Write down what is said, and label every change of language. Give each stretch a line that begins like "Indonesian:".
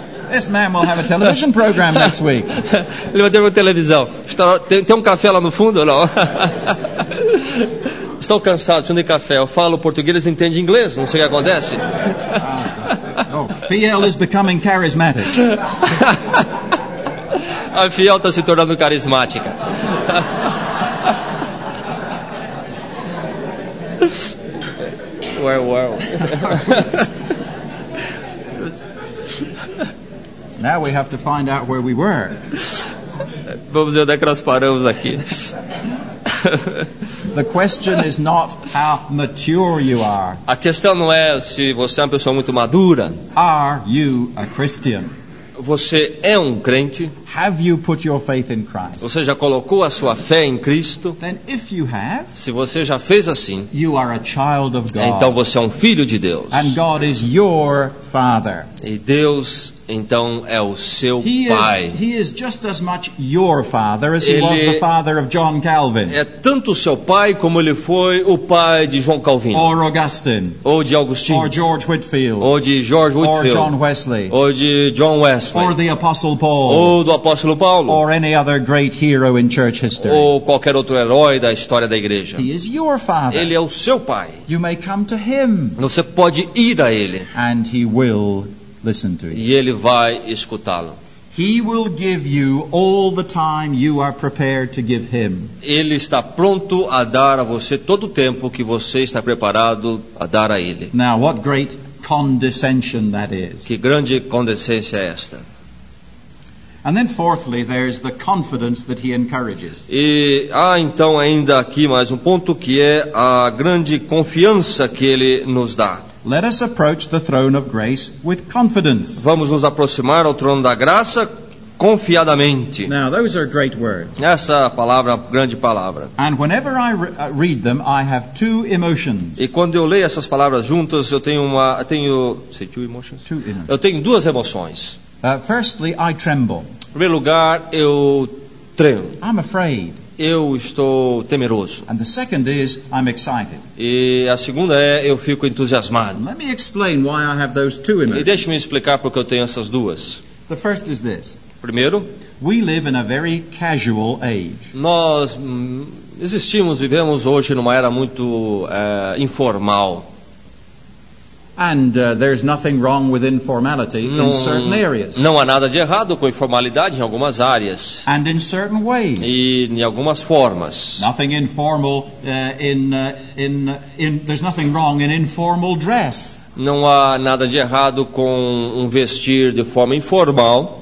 English: This man will have a television program next week.
Portuguese: Ele vai ter uma televisão. Tem café lá no fundo ou não? Estou cansado, tenho de café. Eu falo português, eles entendem inglês. Não sei o que acontece.
English: Fiel is becoming charismatic.
Portuguese: A Fiel está se tornando carismática.
English: Now we have to find out where we were.
Portuguese: Vamos ver onde é que nós paramos aqui.
English: The question is not how mature you are.
Portuguese: A questão não é se você é uma pessoa muito madura.
English: Are you a Christian?
Portuguese: Você é crente?
English: Have you put your faith in Christ?
Portuguese: Você já colocou a sua fé em Cristo?
English: Then if you have,
Portuguese: se você já fez assim,
English: you are a child of God.
Portuguese: Então você é um filho de Deus.
English: And God is your father.
Portuguese: E Deus então é o seu
English: he
Portuguese: pai.
English: Is, he is just as much your father as ele he was the father of John Calvin.
Portuguese: É tanto seu pai como ele foi o pai de João Calvino. Or Augustine. Ou de Augustine. Or George Whitfield. Ou de George Whitfield. Or John Wesley. Ou de John Wesley. Or the Apostle Paul. Ou do Apóstolo Paulo. Or any other great hero in church history. Ou qualquer outro herói da história da igreja. He is your father. Ele é o seu pai. You may come to him. Você pode ir a ele. And he will listen to it. E ele vai escutá-lo. He will give you all the time you are prepared to give him. Ele está pronto a dar a você todo o tempo que você está preparado a dar a ele. Now, what great condescension that is. Que grande condescência é esta.
English: And then fourthly, there's the confidence that he encourages.
Portuguese: E há então ainda aqui mais um ponto que é a grande confiança que ele nos dá.
English: Let us approach the throne of grace with confidence.
Portuguese: Vamos nos aproximar ao trono da graça confiadamente.
English: Now, those are great words.
Portuguese: Essa palavra, grande palavra.
English: And whenever I read them, I have two emotions.
Portuguese: E quando eu leio essas palavras juntas, eu tenho
English: say two emotions? Two emotions.
Portuguese: Eu tenho duas emoções.
English: Firstly, I tremble.
Portuguese: Em primeiro lugar, eu tremo.
English: I'm afraid.
Portuguese: Eu estou temeroso.
English: And the second is, I'm excited.
Portuguese: E a segunda é, eu fico entusiasmado.
English: Let me explain why I have those two emotions.
Portuguese: E deixe-me explicar porque eu tenho essas duas.
English: The first is this.
Portuguese: Primeiro,
English: we live in a very casual age.
Portuguese: Nós vivemos hoje numa era muito informal.
English: And there's nothing wrong with informality in certain areas.
Portuguese: Não há nada de errado com informalidade em algumas áreas.
English: And in certain ways.
Portuguese: E em algumas formas.
English: Nothing informal in there's nothing wrong in informal dress.
Portuguese: Não há nada de errado com um vestir de forma informal.